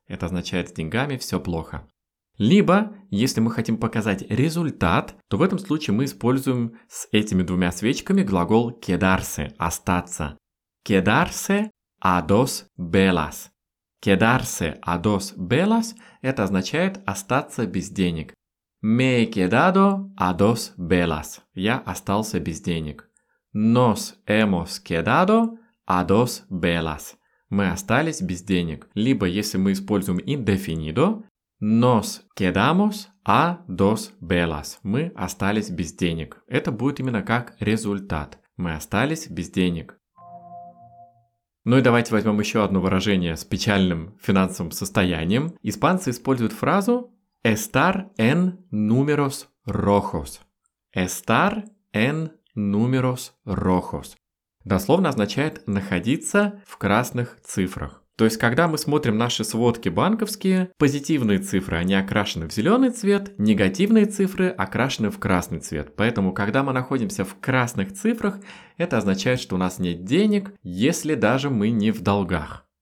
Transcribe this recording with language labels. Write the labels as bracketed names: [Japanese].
[Russian] Это означает, с деньгами все плохо. Либо, если мы хотим показать результат, то в этом случае мы используем с этими двумя свечками глагол quedarse – остаться. [Spanish] Quedarse a dos velas. Quedarse a dos velas [Russian] – это означает остаться без денег. [Spanish] Me he quedado a dos velas. [Russian] Я остался без денег. [Spanish] Nos hemos quedado a dos velas. [Russian] Мы остались без денег. Либо, если мы используем indefinido, [Spanish] nos quedamos a dos velas. [Russian] Мы остались без денег. Это будет именно как результат. Мы остались без денег. Ну и давайте возьмем еще одно выражение с печальным финансовым состоянием. Испанцы используют фразу [Spanish] estar en números rojos. Estar en números rojos. [Russian] Дословно означает находиться в красных цифрах. То есть, когда мы смотрим наши сводки банковские, позитивные цифры, они окрашены в зеленый цвет, негативные цифры окрашены в красный цвет. Поэтому, когда мы находимся в красных цифрах, это означает, что у нас нет денег, если даже мы не в долгах.